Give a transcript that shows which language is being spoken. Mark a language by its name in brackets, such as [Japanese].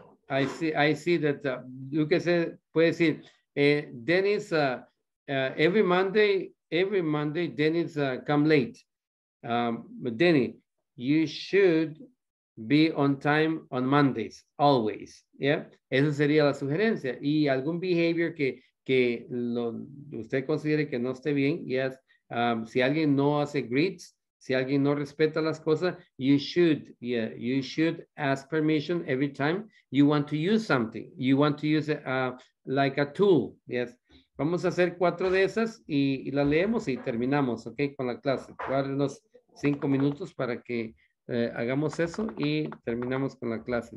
[English] I see that, you can say, [Spanish] puede decir, [English] Dennis, every Monday, Dennis come late. Denny, you should be on time on Mondays, always. [Spanish] Yeah, esa sería la sugerencia. Y algún behavior que usted considere que no esté bien, yes. Si alguien no hace greets, si alguien no respeta las cosas, [English] you should ask permission every time you want to use something. You want to use it like a tool. Yes. [Spanish] Vamos a hacer cuatro de esas y la leemos y terminamos, ok, con la clase. Guárdenos cinco minutos para que hagamos eso y terminamos con la clase.